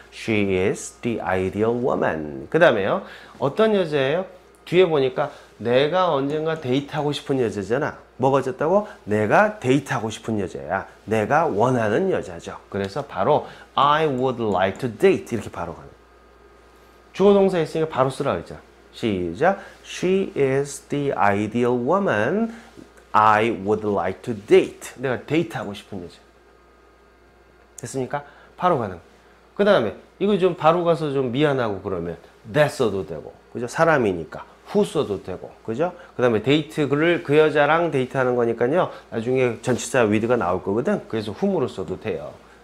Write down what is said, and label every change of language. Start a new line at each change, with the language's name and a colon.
English: She is the ideal woman.
Korean: 그 다음에요. 어떤 여자예요? 뒤에 보니까 내가 언젠가 데이트하고 싶은 여자잖아. 뭐가 졌다고? 내가 데이트하고 싶은 여자야. 내가 원하는 여자죠. 그래서 바로
English: I would like to date
Korean: 이렇게 바로 가는. 주어동사 있으니까 바로 쓰라고 했잖아. 시작.
English: She is the ideal woman I would like to date.
Korean: 내가 데이트하고 싶은 여자. 됐습니까? 바로 가는. 그 다음에 이거 좀 바로 가서 좀 미안하고 그러면 that 써도 되고. 그죠? 사람이니까. who 써도 되고, 그죠? 그 다음에 데이트를 그 여자랑 데이트하는 거니까요. 나중에 전치사 with가 나올 거거든. 그래서 whom으로 써도 돼요.